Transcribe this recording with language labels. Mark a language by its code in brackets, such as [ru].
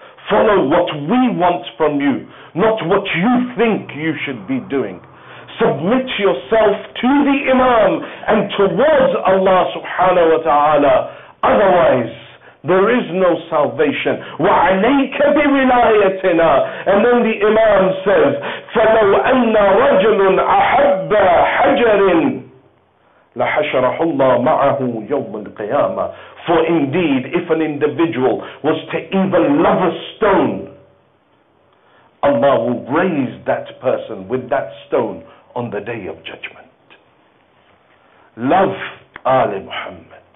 [en] Follow what we want from you, not what you think you should be doing. Submit yourself to the Imam and towards Allah subhanahu wa ta'ala. Otherwise, there is no salvation. [ar] وَعَلَيْكَ بِوِلَايَتِنَا. [en] And then the Imam says, [ar] فَلَوْ أَنَّ رَجْلٌ أَحَبَّ حَجَرٍ لَحَشَرَحُ اللَّهُ مَعَهُ يَوْمُ الْقِيَامَةِ. [en] For indeed, if an individual was to even love a stone, Allah will raise that person with that stone on the Day of Judgment. Love Ali Muhammad.